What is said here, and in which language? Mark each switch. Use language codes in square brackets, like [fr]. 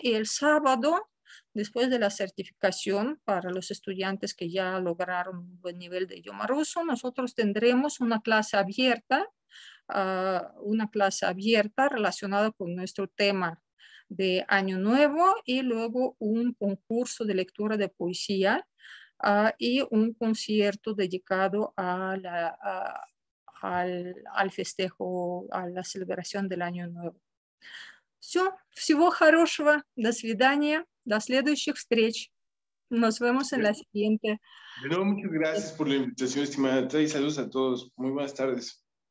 [es] Y el sábado, después de la certificación para los estudiantes que ya lograron un buen nivel de idioma ruso, nosotros tendremos una clase abierta, relacionada con nuestro tema de Año Nuevo y luego un concurso de lectura de poesía y un concierto dedicado al festejo, a la celebración del Año Nuevo. [ru] Все, всего хорошего, до свидания, до следующих встреч. [es] Nos vemos en la siguiente. Bueno, muchas gracias por la invitación, estimada. Saludos a todos. Muy buenas tardes.